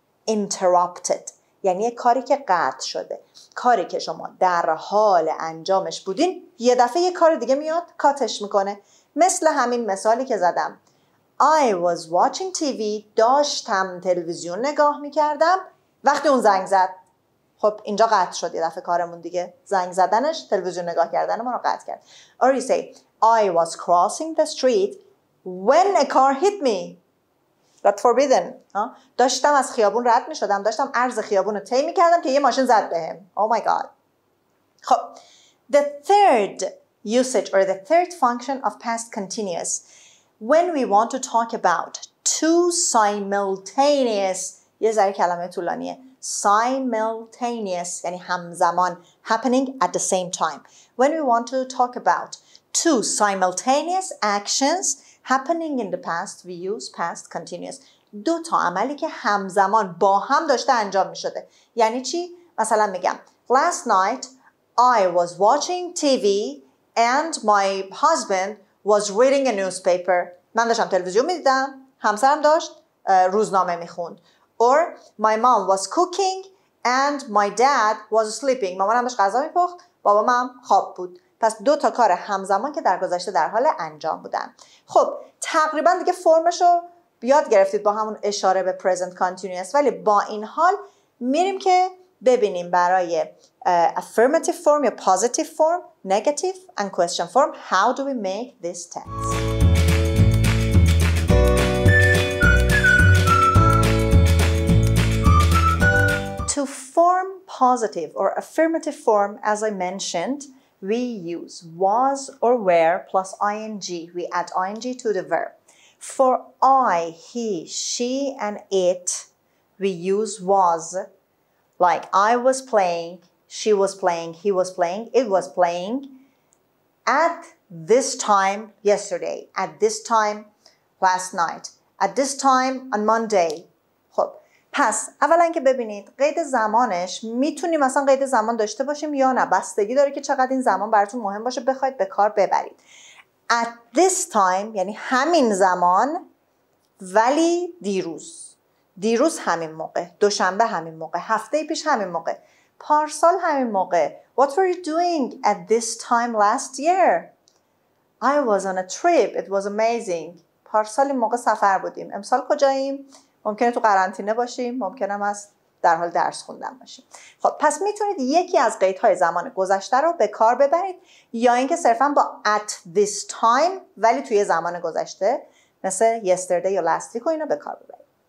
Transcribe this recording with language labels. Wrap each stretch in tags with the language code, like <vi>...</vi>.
<fa>Interrupted یعنی یک کاری که قطع شده، کاری که شما در حال انجامش بودین یه دفعه یه کار دیگه میاد کاتش میکنه، مثل همین مثالی که زدم.</fa> <en>I was watching TV،</en> <fa>داشتم تلویزیون نگاه میکردم وقتی اون زنگ زد. خب اینجا قطع شد یه دفعه کارمون دیگه، زنگ زدنش تلویزیون نگاه کردن ما رو قطع کرد.</fa> <en>Or you say I was crossing the street when a car hit me. That's forbidden.</en> <fa>داشتم از خیابون رد می شدم، داشتم عرض خیابون رو طی می کردم که یه ماشین زد بهم.</fa> <en>Oh my god. خب the third usage or the third function of past continuous, when we want to talk about two simultaneous.</en> <fa>یه ذره کلمه طولانیه. Simultaneous یعنی همزمان.</fa> <en>Happening at the same time. When we want to talk about two simultaneous actions happening in the past, we use past continuous.</en> <fa>دو تا عملی که همزمان با هم داشته انجام می شده. یعنی چی؟ مثلا میگم</fa> <en>Last night I was watching TV and my husband was reading a newspaper.</en> <fa>من داشتم تلویزیون می دیدم، همسرم داشت روزنامه می خوند.</fa> <en>Or my mom was cooking and my dad was sleeping.</en> <fa>مامانم داشت غذا می پخت، بابام هم خواب بود. پس دو تا کار همزمان که در گذشته در حال انجام بودن. خب تقریبا دیگه فرمشو بیاد گرفتید با همون اشاره به present continuous. ولی با این حال میریم که ببینیم برای</fa> <en>affirmative form یا positive form، negative and question form how do we make this tense. To form positive or affirmative form, as I mentioned, we use was or were plus ing. We add ing to the verb. For I, he, she, and it, we use was. Like I was playing, she was playing, he was playing, it was playing. At this time yesterday, at this time last night, at this time on Monday.</en> <fa>پس اولا که ببینید قید زمانش میتونیم مثلا قید زمان داشته باشیم یا نه، بستگی داره که چقدر این زمان براتون مهم باشه بخواید به کار ببرید. At this time یعنی همین زمان، ولی دیروز، دیروز همین موقع، دوشنبه همین موقع، هفته پیش همین موقع، پارسال همین موقع.</fa> <en>What were you doing at this time last year? I was on a trip. It was amazing.</en> <fa>پارسال این موقع سفر بودیم. امسال کجاییم؟ ممکنه تو قرنطینه باشیم، ممکنم از در حال درس خوندن باشیم. خب پس میتونید یکی از قیدهای زمان گذشته رو به کار ببرید یا اینکه صرفا با at this time ولی توی زمان گذشته مثل yesterday یا last week و اینا به کار ببرید.</fa>